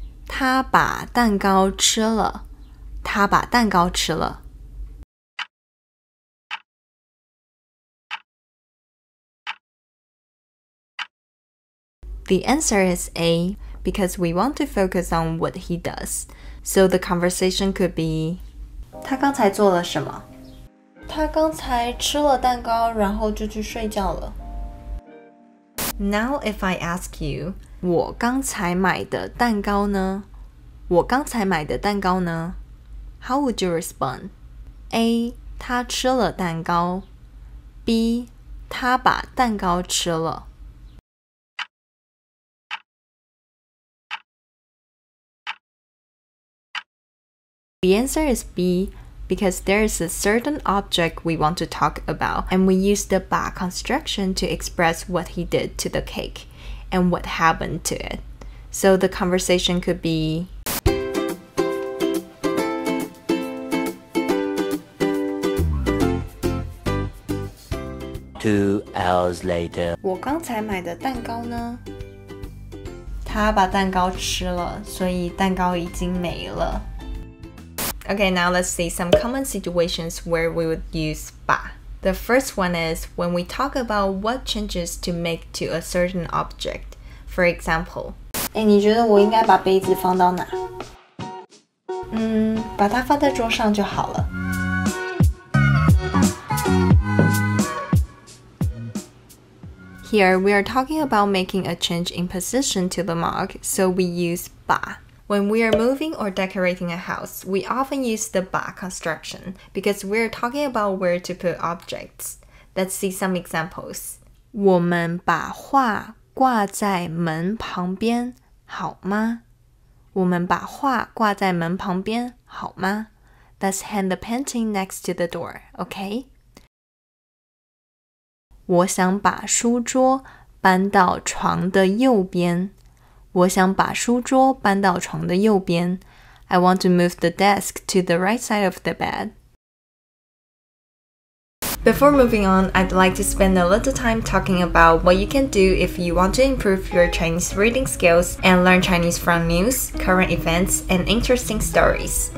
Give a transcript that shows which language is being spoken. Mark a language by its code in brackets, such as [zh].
[zh] 他把蛋糕吃了。他把蛋糕吃了。 [en] The answer is A, because we want to focus on what he does. So the conversation could be [zh] 他刚才做了什么？他刚才吃了蛋糕，然后就去睡觉了。 [en] Now if I ask you [zh] 我刚才买的蛋糕呢？我刚才买的蛋糕呢？ [en] How would you respond? [zh] A, 他吃了蛋糕。B, 他把蛋糕吃了。 [en] The answer is B, because there is a certain object we want to talk about, and we use the 把 construction to express what he did to the cake, and what happened to it. So the conversation could be... 2 hours later. [zh] 我刚才买的蛋糕呢？他把蛋糕吃了，所以蛋糕已经没了。 [en] Okay, now let's see some common situations where we would use 把. The first one is when we talk about what changes to make to a certain object. For example, [zh] 诶，你觉得我应该把杯子放到哪？把它放在桌上就好了。 [en] Here, we are talking about making a change in position to the mug, so we use 把. When we are moving or decorating a house, we often use the ba construction because we are talking about where to put objects. Let's see some examples. [zh] 我们把画挂在门旁边好吗？我们把画挂在门旁边好吗？ [en] Let's hang the painting next to the door, okay? [zh] 我想把书桌搬到床的右边。我想把书桌搬到床的右边。 [en] I want to move the desk to the right side of the bed. Before moving on, I'd like to spend a little time talking about what you can do if you want to improve your Chinese reading skills and learn Chinese from news, current events, and interesting stories.